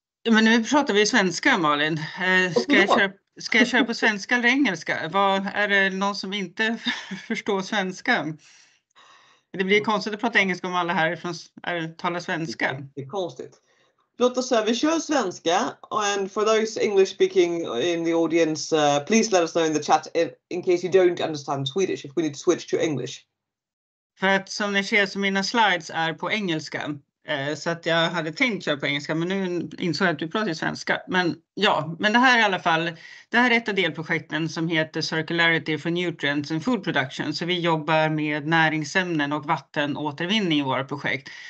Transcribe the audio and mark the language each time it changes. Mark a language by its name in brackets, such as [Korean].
[Swedish] Men nu pratar vi svenska, Malin. Ska jag köra på svenska eller engelska? Vad är det någon som inte förstår svenska? Det blir konstigt att prata engelska om alla här talar svenska. Det är konstigt. Låt oss säga, vi kör svenska, [English] and for those English speaking in the audience, please let us know in the chat in case you don't understand Swedish, if we need to switch to English. [Swedish] För att som ni ser så mina slides är på engelska, så att jag hade tänkt köra på engelska, men nu insåg jag att du pratar svenska. Men ja, men det här i alla fall, det här är ett av delprojekten som heter Circularity for Nutrients and Food Production, så vi jobbar med näringsämnen och vattenåtervinning i våra projekt.